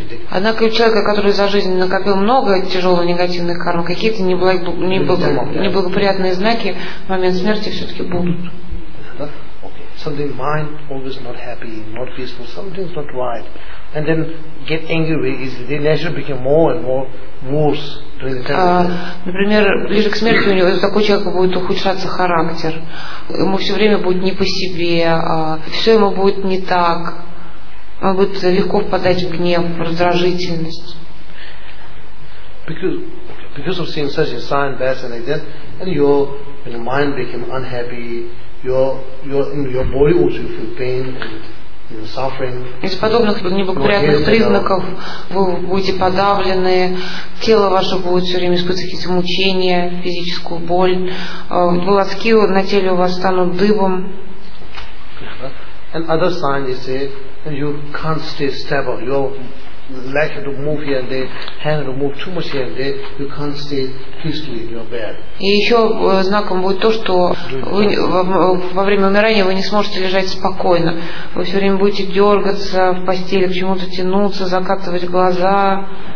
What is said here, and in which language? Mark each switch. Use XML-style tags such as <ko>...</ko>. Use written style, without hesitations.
<ru>Однако у человека, который за жизнь накопил много тяжелой негативной кармы, какие-то неблагоприятные знаки в момент смерти все-таки будут.</ru> <en>Something mind always not happy, not peaceful. Something's not right, and then get angry very easily. The nature become more and more worse during the time.</en> <ru>Например, ближе к смерти у него такой человек будет ухудшаться характер. Ему все время будет не по себе. Все ему будет не так. Он будет легко впадать в гнев, в раздражительность.</ru> <en>Because of seeing such a sign, bad sign like that, and your mind became unhappy. Your body also feel pain and, you know, suffering.</en> <ru>Из подобных неблагоприятных признаков вы будете подавлены, тело ваше будет все время испытывать какие-то мучения, физическую боль, волоски на теле у вас станут дыбом.</ru> <en>And other signs, you say, you can't stay stable. Your leg to move here and there, hand to move too much here and there, you can't stay.</en> <ru>И еще знаком будет то, что вы, во время умирания вы не сможете лежать спокойно. Вы все время будете дергаться в постели, к чему-то тянуться, закатывать глаза.</ru>